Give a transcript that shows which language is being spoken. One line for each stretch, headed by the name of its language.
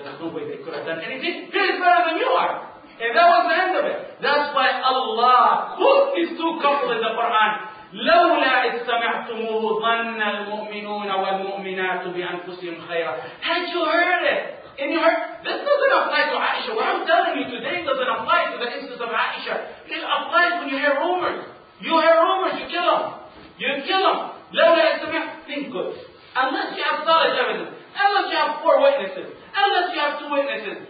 English: There's no way they could have done anything. He is better than you are. And that was the end of it. That's why Allah put these two couples in the Quran.
Arabic: لولا إذ سمعتموه ظن المؤمنون والمؤمنات بأنفسهم خيرا.
English: Had you heard it? In your heart, this doesn't apply to Aisha. What I'm telling you today doesn't apply to the instance of Aisha. It applies when you hear rumors. You hear rumors, you kill them. You kill them.
Arabic: لولا إذ سمعت.
English: Think good. Unless you have solid evidence. Unless you have 4 witnesses. Unless you have 2 witnesses.